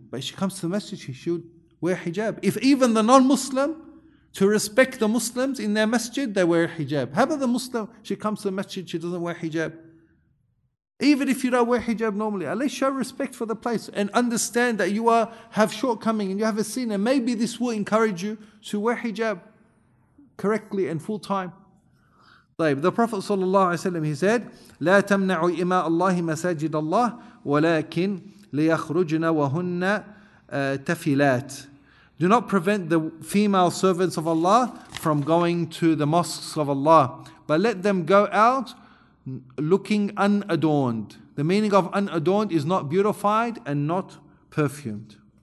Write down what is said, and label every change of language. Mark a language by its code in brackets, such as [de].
[en] But if she comes to the masjid, she should wear hijab. If even the non-Muslim, to respect the Muslims in their masjid, they wear hijab. How about the Muslim, she comes to the masjid, she doesn't wear hijab? Even if you don't wear hijab normally, at least show respect for the place and understand that you are have shortcoming and you have a sin, and maybe this will encourage you to wear hijab correctly and full time. The Prophet ﷺ, he said, [ar] لا تمنع إماء الله مساجد الله ولكن ليخرجنا وهن تفيلات. [en] Do not prevent the female servants of Allah from going to the mosques of Allah, but let them go out looking unadorned. The meaning of unadorned is not beautified and not perfumed.